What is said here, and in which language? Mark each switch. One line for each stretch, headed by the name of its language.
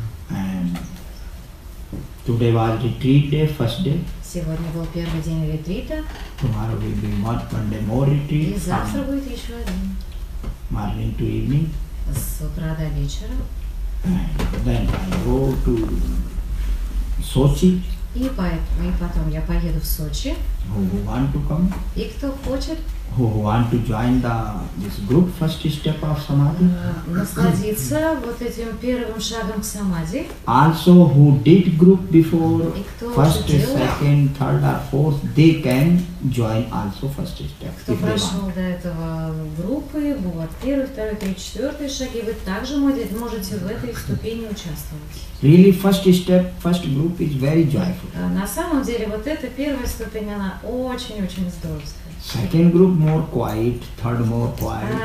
English: And today was retreat day, first day.
Russian: Сегодня был первый день ретрита.
English: Tomorrow will be one day more retreat.
Russian: И завтра будет еще один.
English: Morning to evening.
Russian: С утра до вечера.
English: And then I go to Sochi.
Russian: И потом я поеду в Сочи.
English: Who want to come?
Russian: И кто хочет?
English: Who want to join this group first step of samadhi?
Russian: Насладиться вот этим первым шагом к самадхи.
English: Also who did group before?
Russian: И кто
English: first, second, third or fourth, they can join also first step.
Russian: Кто прошел до этого группы, вот первый, второй, третий, четвертый шаги, вы также можете в этой ступени участвовать.
English: Really, first step, first group is very joyful.
Russian: На самом деле, вот эта первая ступень, она очень-очень здоровская.
English: Second group more quiet, third more quiet,